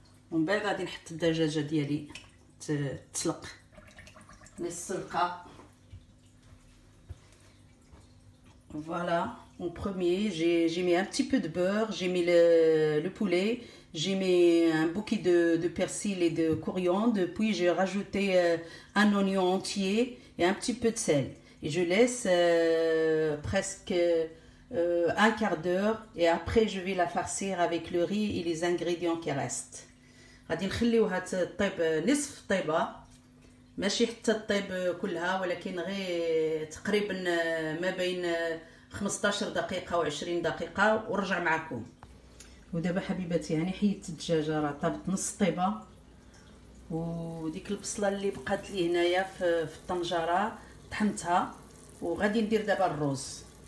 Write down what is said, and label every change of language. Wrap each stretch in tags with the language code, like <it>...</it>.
<ar>ومن بعد غادي نحط الدجاجة ديالي تسلق للسلقة فوالا.</ar> <fr>En premier, j'ai mis un petit peu de beurre, j'ai mis le poulet, j'ai mis un bouquet de persil et de coriandre, puis j'ai rajouté un oignon entier et un petit peu de sel. Et je laisse presque un quart d'heure, et après je vais la farcir avec le riz et les ingrédients qui restent.</fr> <ar>غادي نخليو هاد الطيب نصف طيبه، ماشي حتى الطيب كلها، ولكن غير تقريبا ما بين 15 دقيقة و 20 دقيقة ورجع معكم. ودابا حبيباتي هاني حيدت الدجاجة، راه طابت نص طيبة، وديك البصلة اللي بقات لي هنايا في الطنجرة طحنتها، وغادي ندير دابا الرز.</ar>